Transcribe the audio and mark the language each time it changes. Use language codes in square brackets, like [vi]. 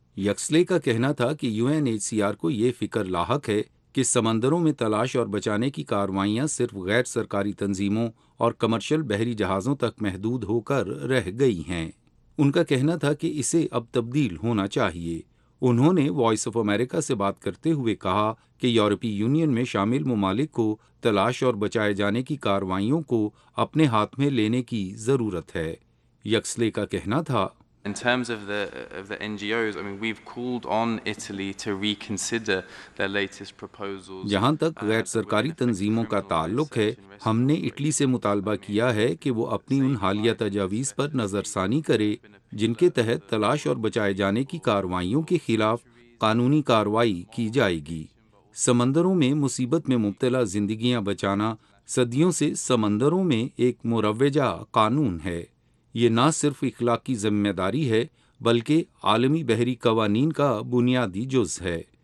[ur] یکسلے کا کہنا تھا کہ you N H C R کو یہ فکر لاحق ہے کہ سمندروں میں تلاش اور بچانے کی کاروائیاں صرف غیر سرکاری تنظیموں اور کمرشل بحری جہازوں تک محدود ہو کر رہ گئی ہیں۔ ان کا کہنا تھا کہ اسے اب تبدیل ہونا چاہیے۔ انہوں نے وائس آف امریکہ سے بات کرتے ہوئے کہا کہ یورپی یونین میں شامل ممالک کو تلاش اور بچائے جانے کی کاروائیوں کو اپنے ہاتھ میں لینے کی ضرورت ہے۔ یکسلے کا کہنا تھا [en] In terms of the NGOs, I mean, we've called on Italy to reconsider their latest proposals. [ur] جہاں تک غیر سرکاری تنظیموں کا تعلق ہے، ہم نے اٹلی سے مطالبہ کیا ہے کہ وہ اپنی ان حالیہ تجاویز پر نظر ثانی کرے جن کے تحت تلاش اور بچائے جانے کی کاروائیوں کے خلاف قانونی کاروائی کی جائے گی۔ سمندروں میں مصیبت میں مبتلا زندگیاں بچانا صدیوں سے سمندروں میں ایک مروجہ قانون ہے۔ یہ نہ صرف اخلاقی ذمہ داری ہے بلکہ عالمی بحری قوانین کا بنیادی جز ہے۔